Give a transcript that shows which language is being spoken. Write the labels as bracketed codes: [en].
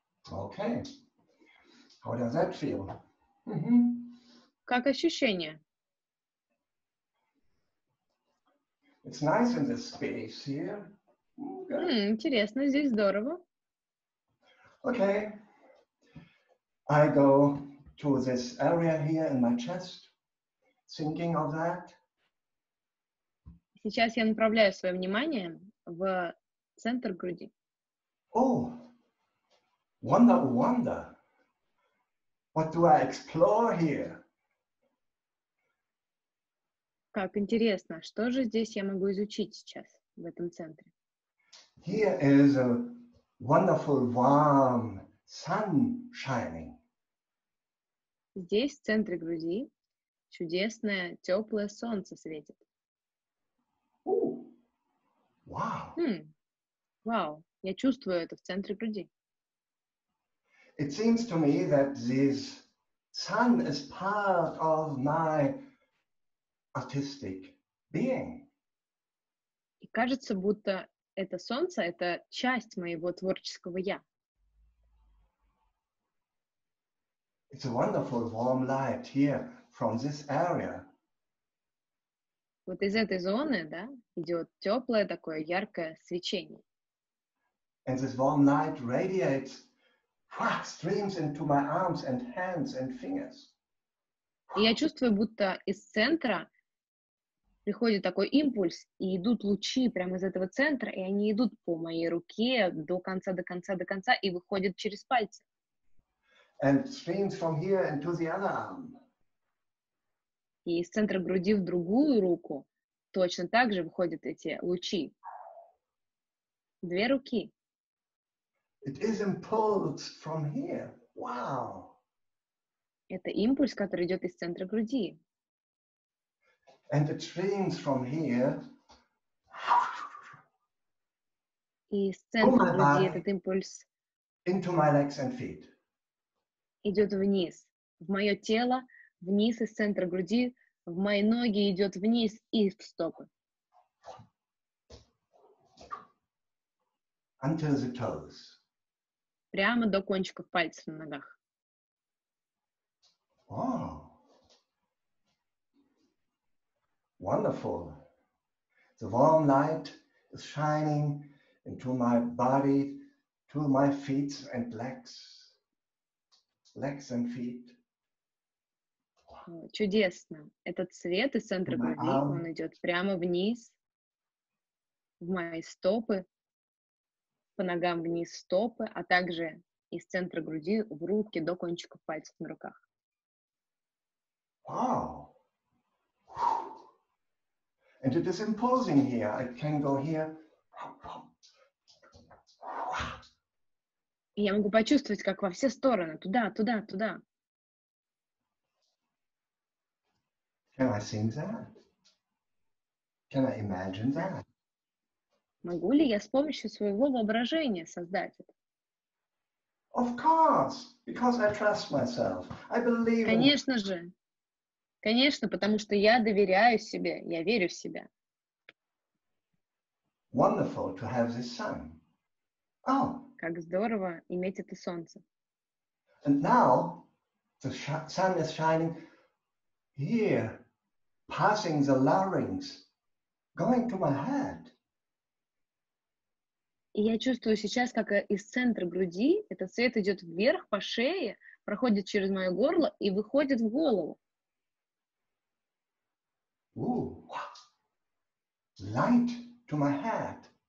[en] Okay. How does that feel? [ru] Как ощущение? [en] It's nice in this space here. [ru] Интересно, здесь здорово. [en] Okay. I go to this area here in my chest, thinking of that. [ru] Сейчас я направляю свое внимание в центр груди. [en] Oh, wonder, wonder. What do I explore here? [ru] Как интересно, что же здесь я могу изучить сейчас в этом центре? [en] Here is a wonderful warm sun shining. [ru] Здесь, в центре груди, чудесное теплое солнце светит. [en] Ooh. Wow. Wow. [ru] Я чувствую это в центре груди. [en] It seems to me that this sun is part of my artistic being. [ru] И кажется, будто это солнце — это часть моего творческого я. [en] It's a wonderful warm light here from this area. [ru] Вот из этой зоны, да, идет теплое такое яркое свечение. [en] And this warm light radiates, streams into my arms and hands and fingers. [ru] Я чувствую, будто из центра приходит такой импульс, и идут лучи прямо из этого центра, и они идут по моей руке до конца, до конца, до конца, и выходят через пальцы. [en] And streams from here into the other arm. [ru] И из центра груди в другую руку точно так же выходят эти лучи. Две руки. [en] It is impulse from here. Wow. [ru] Это импульс, который идет из центра груди. [en] And it streams from here. [ru] И из центра груди этот импульс [en] into my legs and feet. [ru] Идет вниз, в мое тело, вниз из центра груди, в мои ноги, идет вниз и в стопы. [en] Until the toes. [ru] Прямо до кончиков пальцев на ногах. Oh. [en] Wonderful. The warm light is shining into my body, to my feet and legs. Legs and feet. [ru] Чудесно. Этот свет из центра груди, он идет прямо вниз, в мои стопы, по ногам вниз стопы, а также из центра груди в руки до кончиков пальцев на руках. [en] Wow. And it is imposing here. I can go here. [ru] И я могу почувствовать, как во все стороны, туда, туда, туда. [en] Can I sing that? Can I imagine that? [ru] Могу ли я с помощью своего воображения создать это? [en] Of course, because I trust myself. I believe. [ru] Конечно же. Конечно, потому что я доверяю себе, я верю в себя. [en] Wonderful to have this sun. Oh. [ru] Как здорово иметь это солнце. [en] And now the sun is shining here, passing the larynx, going to my head. [ru] И я чувствую сейчас, как из центра груди этот свет идет вверх по шее, проходит через мое горло и выходит в голову. [en] Ooh. Light to my head.